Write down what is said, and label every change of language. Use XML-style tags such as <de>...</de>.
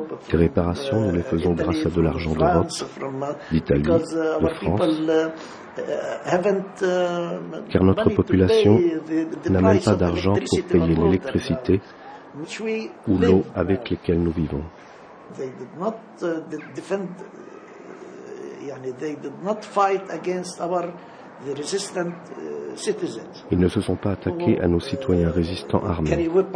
<fr>Les réparations, nous les faisons grâce à de l'argent d'Europe, d'Italie, de France, car notre population n'a même pas d'argent pour payer l'électricité ou l'eau avec lesquelles nous vivons.</fr> <en>they did not defend, they did not fight against our resistant citizens.</en> <fr>Ils ne se sont pas attaqués à nos citoyens résistants armés.</fr>